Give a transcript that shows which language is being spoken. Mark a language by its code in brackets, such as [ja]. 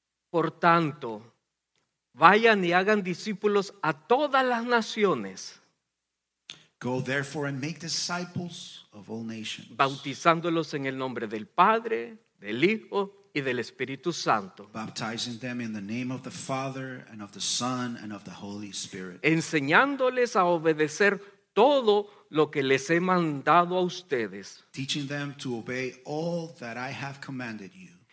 [es] Por tanto, vayan y hagan discípulos a todas las naciones. [en] Go therefore and make disciples of all nations. [es] Bautizándolos en el nombre del Padre, del Hijo y del Espíritu Santo. [en] Baptizing them in the name of the Father and of the Son and of the Holy Spirit. [es] Enseñándoles a obedecer todo lo que les he mandado a ustedes. [en] Teaching them to obey all that I have commanded you.